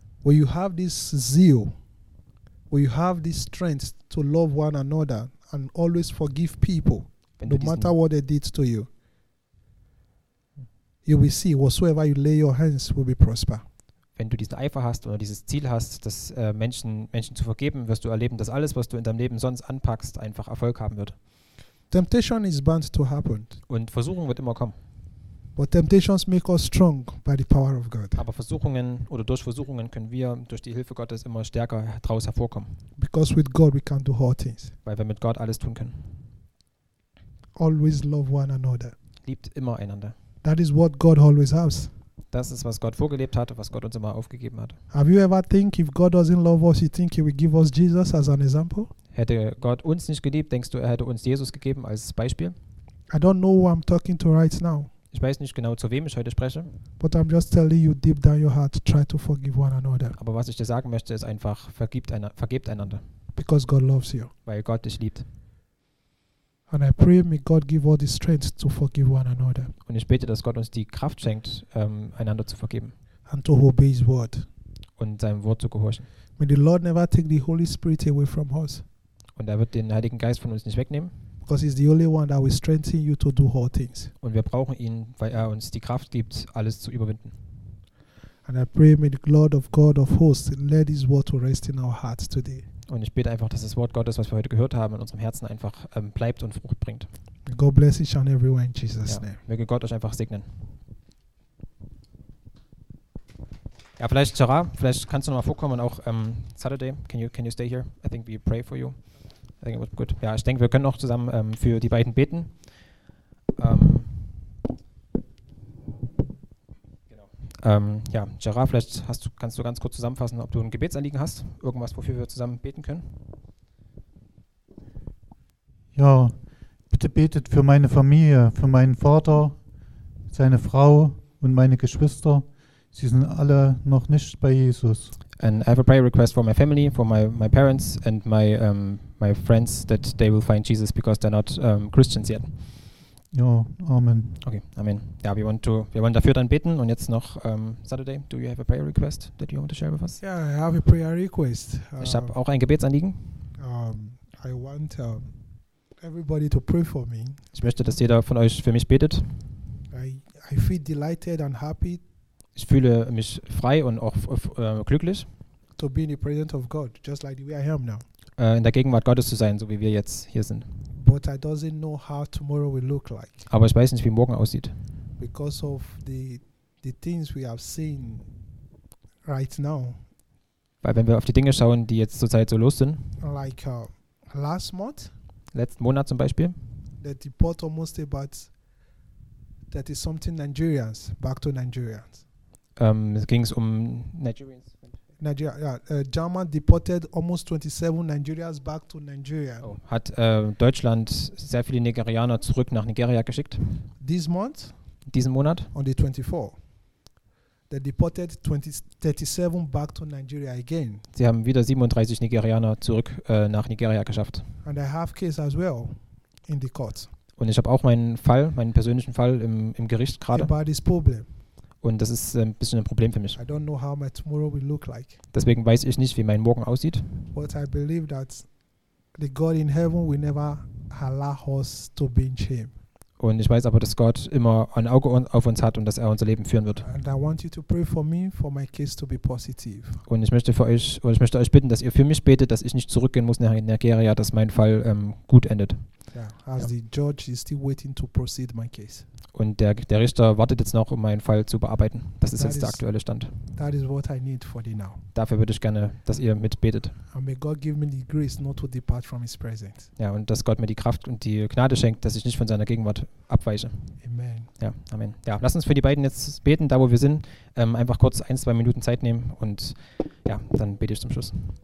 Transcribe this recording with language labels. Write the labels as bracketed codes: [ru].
[en] When you have this zeal, when you have this strength to love one another and always forgive people, no matter what they did to you, you will see whatsoever you lay your hands will be prosper. [de] Wenn du diesen Eifer hast oder dieses Ziel hast, das Menschen zu vergeben, wirst du erleben, dass alles, was du in deinem Leben sonst anpackst, einfach Erfolg haben wird. [en] Temptation is bound to happen. [de] Und Versuchung wird immer kommen. [en] But temptations make us strong by the power of God. [de] Aber Versuchungen oder durch Versuchungen können wir durch die Hilfe Gottes immer stärker daraus hervorkommen. [en] Because with God we can do all things. [de] Weil wir mit Gott alles tun können. [en] Always love one another. [de] Liebt immer einander. [en] That is what God always has. [de] Das ist, was Gott vorgelebt hat, was Gott uns immer aufgegeben hat. [en] Have you ever think if God doesn't love us, you think he will give us Jesus as an example? [de] Hätte Gott uns nicht geliebt, denkst du, er hätte uns Jesus gegeben als Beispiel? [en] I don't know who I'm talking to right now. [de] Ich weiß nicht genau, zu wem ich heute spreche. [en] But I'm just telling you deep down your heart, try to forgive one another. [de] Aber was ich dir sagen möchte, ist einfach, vergebt einander. [en] Because God loves you. [de] Weil Gott dich liebt. [en] And I pray may God give all the strength to forgive one another. [de] Und ich bete, dass Gott uns die Kraft schenkt, einander zu vergeben. [en] And to obey His word. [de] Und seinem Wort zu gehorchen. [en] May the Lord never take the Holy Spirit away from us. [de] Und er wird den Heiligen Geist von uns nicht wegnehmen. [en] Because He's the only one that will strengthen you to do all things. [de] Und wir brauchen ihn, weil er uns die Kraft gibt, alles zu überwinden. [en] And I pray may the Lord of God of hosts let His word to rest in our hearts today. [de] Und ich bete einfach, dass das Wort Gottes, was wir heute gehört haben, in unserem Herzen einfach bleibt und Frucht bringt. [en] God bless each and everyone in Jesus' name. [de] Ja, möge Gott euch einfach segnen. Ja, vielleicht Sarah, vielleicht kannst du nochmal vorkommen und auch Saturday, [en] can you stay here? I think we pray for you. I think it was good. [de] Ja, ich denke, wir können auch zusammen für die beiden beten. Ja, Gerard, vielleicht kannst du ganz kurz zusammenfassen, ob du ein Gebetsanliegen hast, irgendwas, wofür wir zusammen beten können. Ja, bitte betet für meine Familie, für meinen Vater, seine Frau und meine Geschwister. Sie sind alle noch nicht bei Jesus. [en] And I have a prayer request for my family, for my parents and my friends, that they will find Jesus because they're not Christians yet. [de] Ja, Amen. Okay, Amen. Ja, wir wollen dafür dann beten. Und jetzt noch Saturday, [en] do you have a prayer request that you want to share with us? Yeah, I have a prayer request. [de] Ich habe auch ein Gebetsanliegen. [en] I want everybody to pray for me. [de] Ich möchte, dass jeder von euch für mich betet. [en] I feel delighted and happy. [de] Ich fühle mich frei und auch glücklich. [en] To be in the presence of God, just like the way I am now. [de] In der Gegenwart Gottes zu sein, so wie wir jetzt hier sind. [en] But I doesn't know how tomorrow will look like. [de] Aber ich weiß nicht, wie morgen aussieht. [en] Because of the things we have seen right now. [de] Weil wenn wir auf die Dinge schauen, die jetzt zurzeit so los sind. [en] Like last month. [de] Letzten Monat zum Beispiel. [en] That the port almost about that is something Nigerians back to Nigerians. [de] Es ging um Nigerians. [en] Nigeria, yeah. German deported almost 27 Nigerians back to Nigeria. [de] Oh, hat Deutschland sehr viele Nigerianer zurück nach Nigeria geschickt? [en] This month? [de] Diesen Monat? [en] On the 24th. They deported 37 back to Nigeria again. [de] Sie haben wieder 37 Nigerianer zurück nach Nigeria geschafft. [en] And I have case as well in the court. [de] Und ich habe auch meinen Fall, meinen persönlichen Fall im Gericht gerade. [en] About this problem. [de] Und das ist ein bisschen ein Problem für mich. [en] I don't know how my tomorrow will look like. [de] Deswegen weiß ich nicht, wie mein Morgen aussieht. [en] But I believe that the God in heaven will never allow us to be in shame. [de] Und ich weiß aber, dass Gott immer ein Auge auf uns hat und dass er unser Leben führen wird. [en] And I want you to pray for me for my case to be positive. [de] Und ich möchte euch bitten, dass ihr für mich betet, dass ich nicht zurückgehen muss nach Nigeria, dass mein Fall gut endet. [en] Yeah, as the judge is still waiting to proceed my case. [de] Und der Richter wartet jetzt noch, um meinen Fall zu bearbeiten. Das ist jetzt der aktuelle Stand. [en] That is what I need for the now. [de] Dafür würde ich gerne, dass ihr mitbetet. [en] And may God give me the grace not to depart from His presence. [de] Ja, und dass Gott mir die Kraft und die Gnade schenkt, dass ich nicht von seiner Gegenwart abweiche. Amen. Ja, Amen. Ja, lass uns für die beiden jetzt beten, da wo wir sind. Einfach kurz 1-2 Minuten Zeit nehmen und ja, dann bete ich zum Schluss.